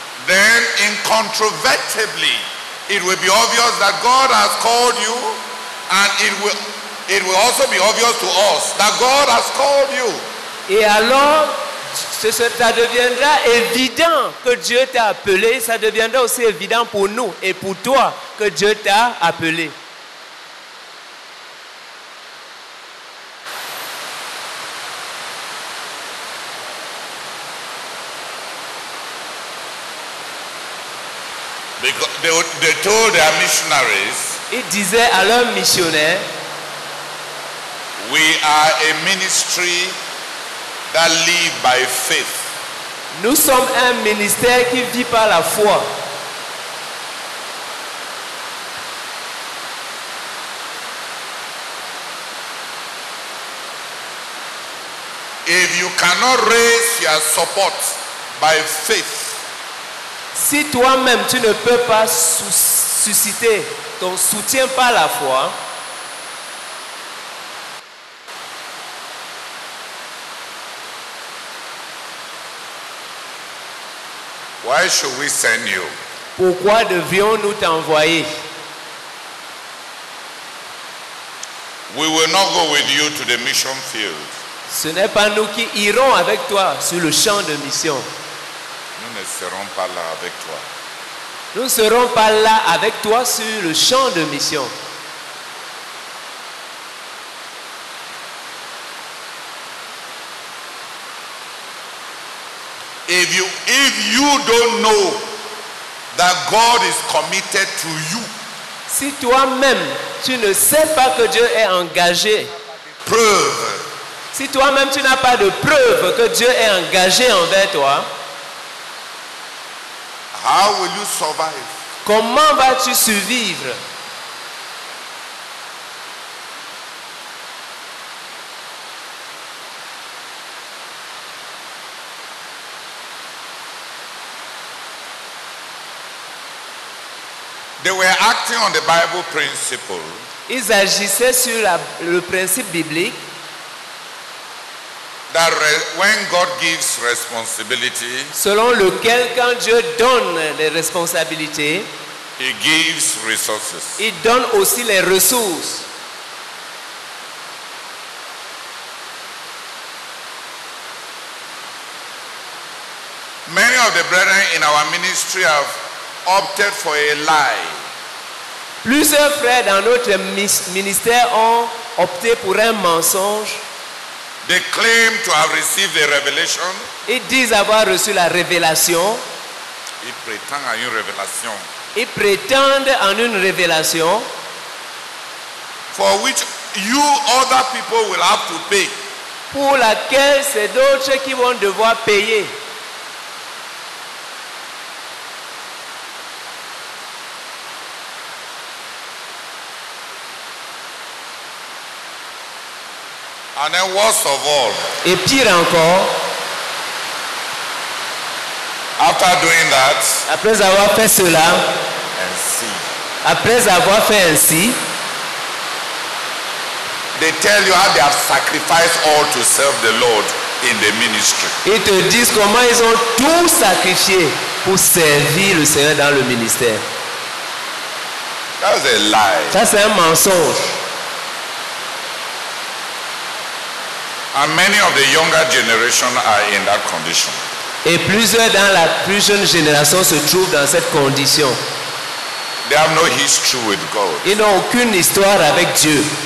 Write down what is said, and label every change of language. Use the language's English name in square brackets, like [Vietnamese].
[English] Then incontrovertibly, it will be obvious that God has called you, and it will also be obvious to us that God has called you. [French] Et alors, ça deviendra évident que Dieu t'a appelé. Ça deviendra aussi évident pour nous et pour toi que Dieu t'a appelé. [English] Because they told their missionaries, [French] ils disaient à leurs missionnaires, [English] we are a ministry that live by faith. [French] Nous sommes un ministère qui vit par la foi. [English] If you cannot raise your support by faith, [French] si toi-même tu ne peux pas susciter ton soutien par la foi, [English] why should we send you? [French] Pourquoi devrions-nous t'envoyer? [English] We will not go with you to the mission field. [French] Ce n'est pas nous qui irons avec toi sur le champ de mission. Nous ne serons pas là avec toi. Nous ne serons pas là avec toi sur le champ de mission. [English] If you don't know that God is committed to you, [French] si toi-même tu ne sais pas que Dieu est engagé, preuve. Si toi-même tu n'as pas de preuve que Dieu est engagé envers toi, [English] how will you survive? [French] Comment vas-tu survivre? [English] They were acting on the Bible principle. [French] Ils agissaient sur le principe biblique. [English] That when God gives responsibility, [French] selon lequel quand Dieu donne les responsabilités, [English] He gives resources. [French] Il donne aussi les ressources. [English] Many of the brethren in our ministry have opted for a lie. [French] Plusieurs frères dans notre ministère ont opté pour un mensonge. [English] They claim to have received a revelation. [French] Ils disent avoir reçu la révélation. Ils prétendent à une révélation. Ils prétendent en une révélation. [English] For which you other people will have to pay. [French] Pour laquelle c'est d'autres qui vont devoir payer. [English] And then worst of all, [French] et pire encore, [English] after doing that, [French] après avoir fait cela, [English] and see, [French] Après avoir fait ainsi, [English] they tell you how they have sacrificed all to serve the Lord in the ministry. [French] Ils te disent comment ils ont tout sacrifié pour servir le Seigneur dans le ministère. [English] That's a lie. [French] Ça, c'est un mensonge. [English] And many of the younger generation are in that condition. [French] Et plusieurs dans la plus jeune génération se trouvent dans cette condition. [English] They have no history with God. [French] Ils n'ont aucune histoire avec Dieu.